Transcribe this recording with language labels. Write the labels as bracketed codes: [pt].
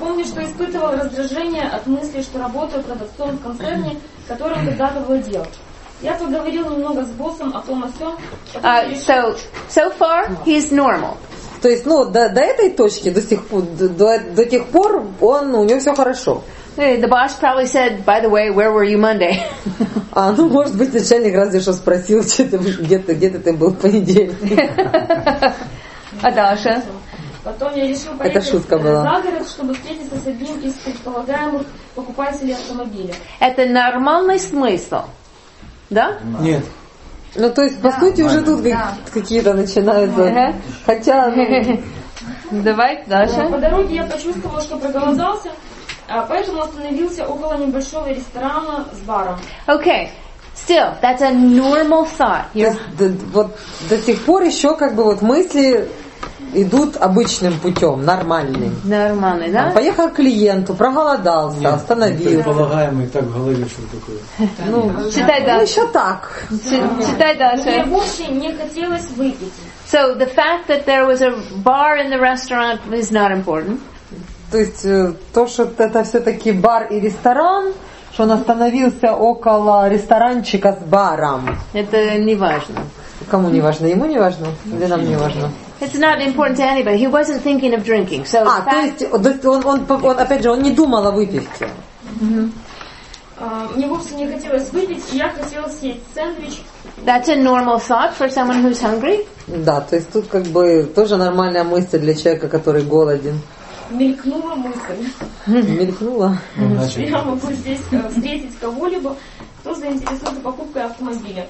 [ru] Помню, что испытывал раздражение от мысли, что работаю продавцом в концерне, которым когда-то владел. Я поговорил немного с боссом о том, о сём. [en] So far, he's normal. [ru] То есть, до этой точки, до тех пор, у него все хорошо. [en] The boss probably said, by the way, where were you Monday? [ru] Может быть, начальник разве что спросил, где-то ты был в понедельник. А дальше? Потом я решил поехать за город, чтобы встретиться с одним из предполагаемых покупателей автомобиля. Это нормальный смысл, да? Нет. По сути, уже тут какие-то начинаются. Хотя, Давай, дальше. По дороге я почувствовал, что проголодался, поэтому остановился около небольшого ресторана с баром. [en] Окей. Still, that's a normal thought. [ru] До сих пор еще мысли идут обычным путем, нормальным. Нормальный, да? Поехал к клиенту, проголодался, нет, остановился. Нет, предполагаемый так в голове, что такое. Читай дальше. Еще так. Читай дальше. Мне больше не хотелось выпить. [en] So the fact that there was a bar in the restaurant is not important. [ru] То есть то, что это все-таки бар и ресторан, что он остановился около ресторанчика с баром. Это не важно. Кому не важно? Ему не важно? Или нам не важно? [en] It's not important to anybody. He wasn't thinking of drinking. So [ru] он опять же, он не думал о выпивке. Мне вовсе не хотелось выпить, я хотел съесть сэндвич. [en] That's a normal thought for someone who's hungry. [ru] Да, то есть тут тоже нормальная мысль для человека, который голоден. Мелькнула мысль. Мелькнула. Я могу здесь встретить кого-либо, кто заинтересован покупкой автомобиля.